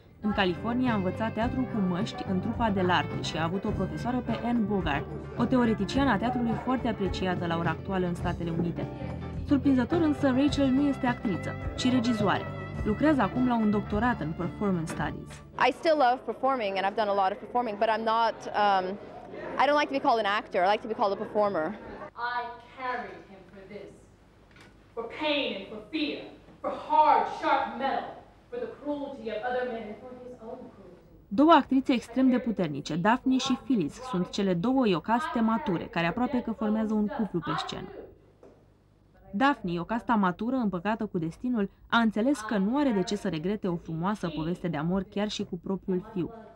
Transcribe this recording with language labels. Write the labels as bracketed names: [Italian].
[Romanian] În California a învățat teatru cu măști în trupa de larte și a avut o profesoară pe Anne Bogart, o teoreticiană a teatrului foarte apreciată la ora actuală în Statele Unite. Surprinzător însă, Rachel nu este actriță, ci regizoare. Lucrează acum la un doctorat în Performance Studies. [English] I still love performing and I've done a lot of performing, but I'm not, I don't like to be called an actor, I like to be called a performer. For pain and for fear, for hard, sharp metal, for the cruelty of other men and for his own cruelty. [Romanian] Două actrițe extrem de puternice, Daphne și Phyllis, sunt cele două iocaste mature, care aproape că formează un cuplu pe scenă. Daphne, iocasta matură, împăcată cu destinul, a înțeles că nu are de ce să regrete o frumoasă poveste de amor chiar și cu propriul fiu.